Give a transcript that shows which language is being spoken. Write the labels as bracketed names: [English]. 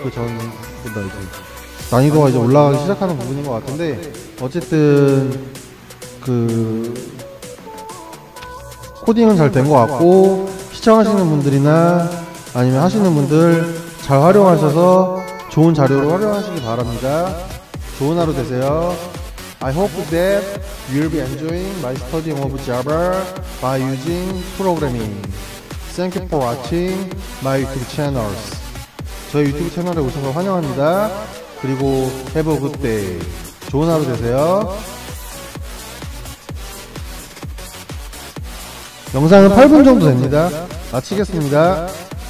[Korean] 그 전보다 이제 난이도가 이제 올라가기 시작하는 부분인 것 같은데 어쨌든 그 코딩은 잘 된 것 같고 시청하시는 분들이나 아니면 하시는 분들 잘 활용하셔서 좋은 자료로 활용하시기 바랍니다. 좋은 하루 되세요. [English] I hope that you will be enjoying my study of Java by using programming. Thank you for watching my YouTube channels. [Korean] 저희 유튜브 채널에 오셔서 환영합니다. 그리고 [English] have a good day. [Korean] 좋은 하루 되세요. 영상은 8분 정도 됩니다. 마치겠습니다.